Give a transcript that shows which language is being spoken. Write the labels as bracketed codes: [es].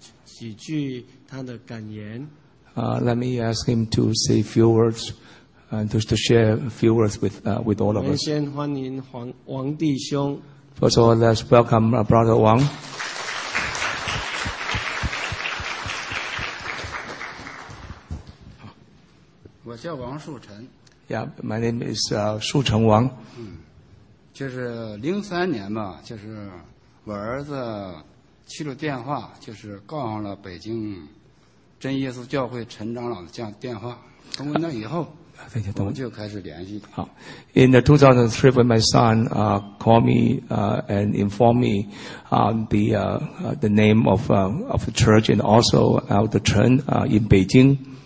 [zh] 那小弟想在这里请他跟大家来讲几句他的感言。 [en] Let me ask him to say a few words and just to share a few words with all of us. [zh] 我们先欢迎王弟兄。 [en] First of all, let's welcome Brother Wang. [zh] 我叫王树成。 [en] Yeah, my name is 树成王。 [zh] 就是03年吧, 就是我儿子去了电话，就是告上了北京 真耶稣教会陈长老的电话，通过那以后，我们就开始联系。好 [en] ，In the 2003, when my son called me and informed me the name of the church and also the Chen in Beijing.